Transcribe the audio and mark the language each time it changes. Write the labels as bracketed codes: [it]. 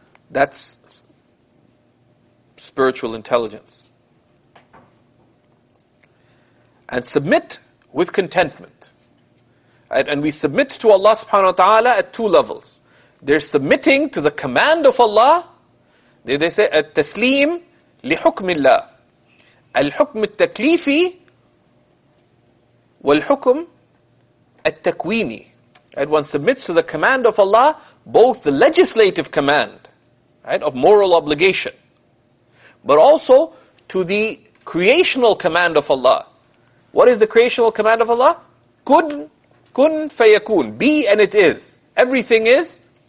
[en] That's spiritual intelligence. And submit with contentment. And we submit to Allah subhanahu wa ta'ala at two levels. They're submitting to the command of Allah. They say, [ar] التسليم لحكم الله. الحكم التكليفي والحكم التكويني. [en] And one submits to the command of Allah, both the legislative command, right, of moral obligation, but also to the creational command of Allah. What is the creational command of Allah? [ar] Kun fayakun. [en] Be and it is. Everything is.